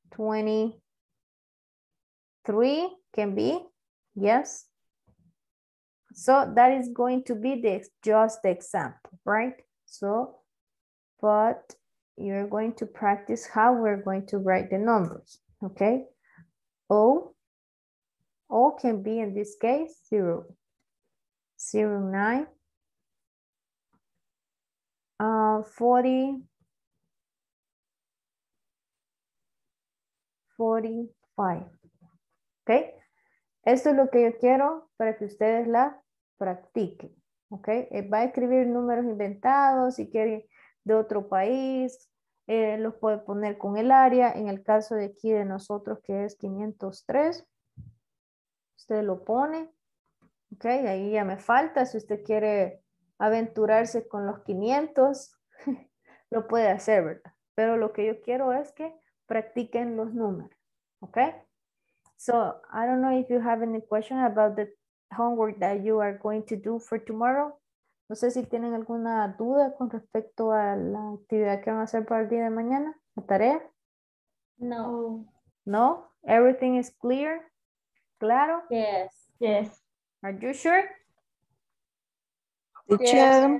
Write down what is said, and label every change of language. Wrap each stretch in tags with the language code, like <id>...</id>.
<en>23 can be, yes. So that is going to be the just the example, right? So, but you're going to practice how we're going to write the numbers, okay? O can be in this case</en> <es>0, 0, 9, 40, 45, ok, esto es lo que yo quiero para que ustedes la practiquen, ok, va a escribir números inventados, si quiere de otro país, los puede poner con el área, en el caso de aquí de nosotros que es 503, usted lo pone, ok, ahí ya me falta, si usted quiere aventurarse con los 500, lo puede hacer, ¿verdad? Pero lo que yo quiero es que practiquen los números.</es> <en>Okay, so I don't know if you have any question about the homework that you are going to do for tomorrow.</en> <es>No sé si tienen alguna duda con respecto a la actividad que van a hacer para el día de mañana, la tarea. No.</es> <en>No? Everything is clear? Claro? Yes. Yes. Are you sure? Teacher.</en>